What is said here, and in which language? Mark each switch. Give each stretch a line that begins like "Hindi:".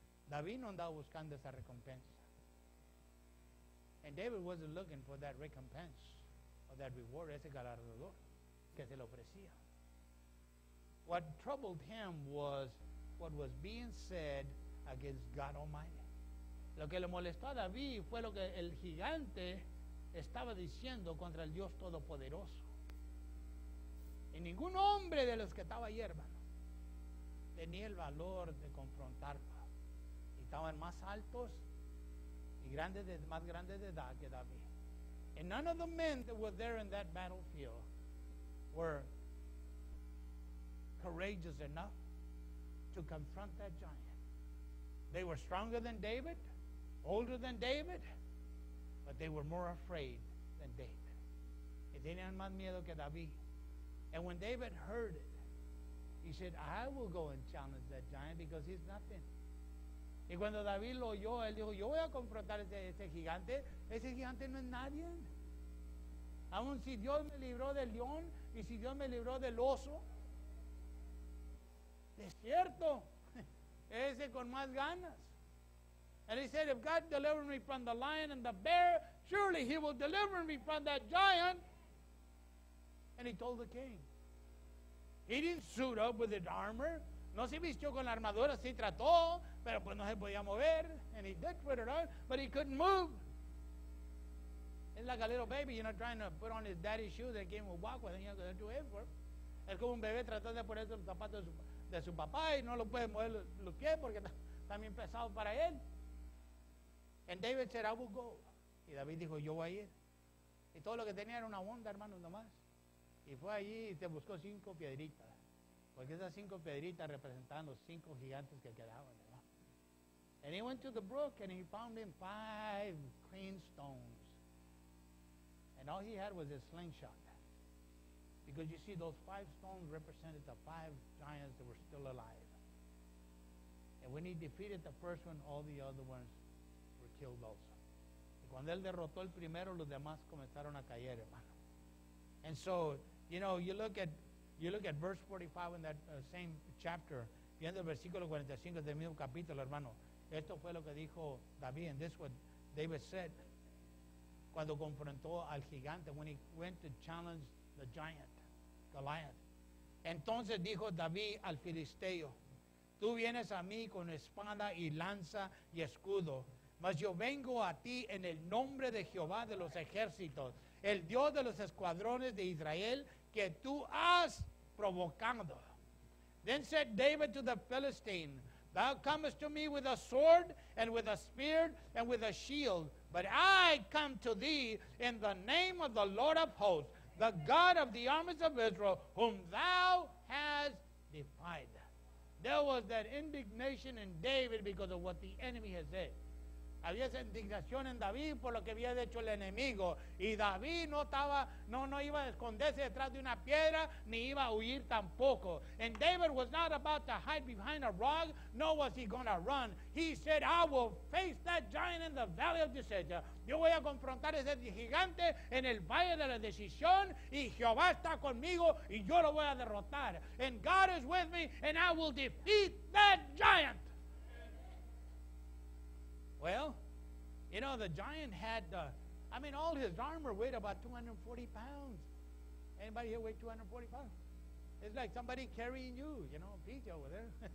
Spanish: David no andaba buscando esa recompensa.
English: And David wasn't looking for that recompense or that reward,
Spanish: ese galardón que se le ofrecía.
English: What troubled him was what was being said against God Almighty.
Spanish: Lo que le molestó a David fue lo que el gigante estaba diciendo contra el Dios Todopoderoso. Y ningún hombre de los que estaba ahí, hermano, tenía el valor de confrontarlo. Estaban más altos y más grande de edad que David.
English: And none of the men that were there in that battlefield were courageous enough to confront that giant. They were stronger than David, older than David, but they were more afraid than David.
Spanish: Y tenían más miedo que David.
English: And when David heard it, he said, "I will go and challenge that giant because he's nothing."
Spanish: Y cuando David lo oyó, él dijo, yo voy a confrontar a ese gigante. Ese gigante no es nadie. Aún si Dios me libró del león y si Dios me libró del oso, es cierto, ese con más ganas.
English: And he said, if God delivered me from the lion and the bear, surely he will deliver me from that giant. And he told the king. He didn't suit up with his armor.
Spanish: No se vistió con la armadura, sí trató, pero pues no se podía mover.
English: And he did put it on, but he couldn't move. It's like a little baby, you know, trying to put on his daddy's shoes and came to walk with him, you know, to him for.
Spanish: Es como un bebé tratando de poner los zapatos de su papá y no lo puede mover los pies porque está bien pesado para él.
English: And David said, I will go.
Spanish: Y David dijo, yo voy a ir. Y todo lo que tenía era una onda, hermanos, nomás. Y fue allí y se buscó cinco piedritas. Porque esas cinco piedritas representaban los cinco gigantes que quedaban, ¿no?
English: And he went to the brook and he found him five clean stones. And all he had was a slingshot. Because you see, those five stones represented the five giants that were still alive. And when he defeated the first one, all the other ones were killed also.
Spanish: Y cuando él derrotó el primero, los demás comenzaron a caer, hermano.
English: And so, you know, you look at verse 45 in that same chapter,
Spanish: viendo el versículo 45 del mismo capítulo, hermano. Esto fue lo que dijo David,
English: and this is what David said
Spanish: cuando confrontó al gigante,
English: when he went to challenge the giant, Goliath.
Spanish: Entonces dijo David al filisteo, tú vienes a mí con espada y lanza y escudo, mas yo vengo a ti en el nombre de Jehová de los ejércitos, el Dios de los escuadrones de Israel, que tú has provocado.
English: Then said David to the Philistine, thou comest to me with a sword and with a spear and with a shield, but I come to thee in the name of the Lord of hosts, the God of the armies of Israel, whom thou hast defied. There was that indignation in David because of what the enemy had said.
Spanish: Había esa indignación en David por lo que había hecho el enemigo. Y David no estaba, no iba a esconderse detrás de una piedra, ni iba a huir tampoco.
English: And David was not about to hide behind a rock, nor was he going to run. He said, I will face that giant in the valley of decision.
Spanish: Yo voy a confrontar a ese gigante en el valle de la decisión, y Jehová está conmigo, y yo lo voy a derrotar.
English: And God is with me, and I will defeat that giant. Well, you know, the giant had, all his armor weighed about 240 pounds. Anybody here weigh 240 pounds? It's like somebody carrying you, you know, Pete over there.